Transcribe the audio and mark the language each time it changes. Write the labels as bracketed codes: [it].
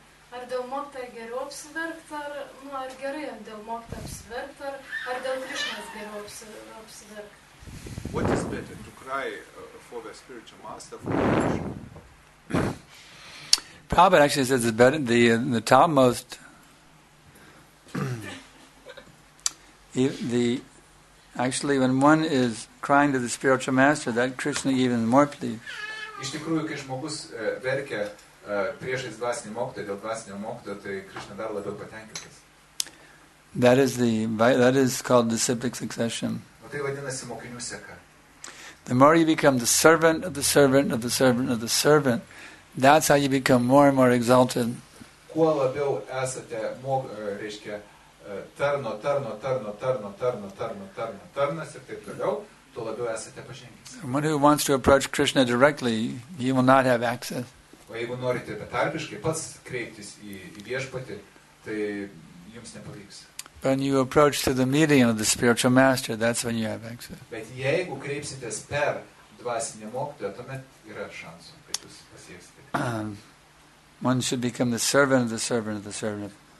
[lt] Ar dėl mokta geriau apsiverkti, ar gerai dėl mokta apsiverkti, ar dėl Krišnas geriau apsiverkti? [en] What is better, to cry for the spiritual master, for the Krishna? Prabhupada actually says it's better, the topmost, actually when one is crying to the spiritual master, that Krishna even more pleased. [lt] Iš tikrųjų, kai žmogus verkia, priešais dvasinį mokytoją, dėl dvasinio mokytojo, tai Krishna dar labiau patenkintas. [en] That is called disciplic succession. [lt] O tai vadinasi mokinių seka. [en] The more you become the servant of the servant of the servant of the servant, that's how you become more and more exalted. [lt] Kuo labiau esate reiškia tarnas ir taip toliau, tuo labiau esate pažengęs. [en] One who wants to approach Krishna directly, he will not have access. [lt] O jeigu norite betarpiškai pats kreiptis į viešpatį, tai jums nepavyks. [en] When you approach to the medium of the spiritual master, that's when you have access. [lt] Bet jeigu kreipsitės per dvasinį mokytoją, tuomet yra šansų, kad jūs pasieksite. [en] One should become the servant of the servant of the servant.